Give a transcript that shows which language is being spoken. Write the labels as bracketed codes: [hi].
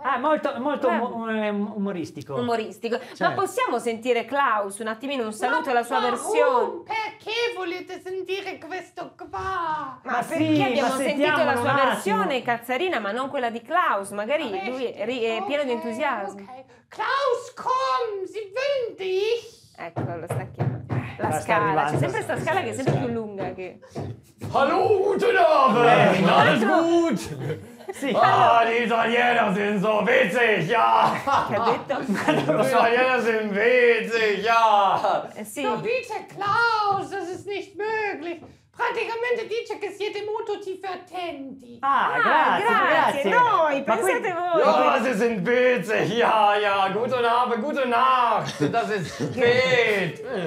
[it] Ah, molto, molto umoristico. Umoristico. Cioè. Ma possiamo sentire Klaus un attimino, un saluto alla sua versione? Perché volete sentire questo qua? Ma sì, perché abbiamo sentito la sua versione cazzarina, ma non quella di Klaus? Magari lui è pieno di entusiasmo. Okay. [de] Klaus, komm, sie will dich. [it] Ecco, lo sta chiamando. La scala, c'è sempre questa scala che è sempre più lunga che... [de] Hallo, guten Abend! Alles gut! [it] Sì. Ah, gli italiani sono [de] so witzig, ja! [it] Che ha detto? Gli italiani sono [de] witzig, ja! [it] Sì. [de] No, bitte, Klaus, das ist nicht möglich! [it] Praticamente dice che siete molto divertenti. Grazie. Noi, pensate voi. No, ma se sono [de] witzig, ja, ja, guten Abend, gute Nacht, das ist spät.